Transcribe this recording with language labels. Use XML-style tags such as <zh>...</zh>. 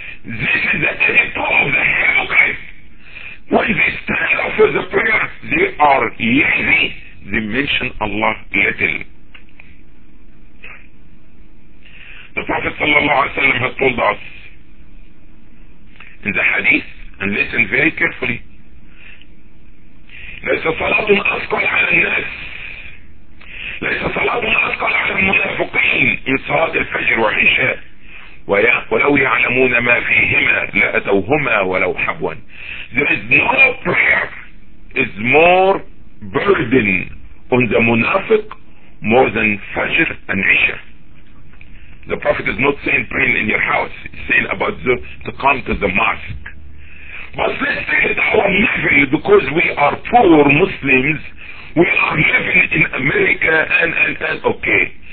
<en>This is the character of the hypocrite. When they stand up for the prayer, they are lazy. They mention Allah little. The Prophet sallallahu alaihi wasallam has told us in the hadith, and listen very carefully.</en> <ar>ليس صلاة أثقل على الناس ليس صلاة أثقل على المنافقين من صلاة الفجر والعشاء ولو يعلمون ما فيهما لأتوهما ولو حبوا.</ar> <en>There is no prayer is more burden on the munafiq more than Fajr and Isha. The Prophet is not saying praying in your house, he's saying about to come to the mosque. But let's take it our level, because we are poor Muslims, we are living in America and okay.</en>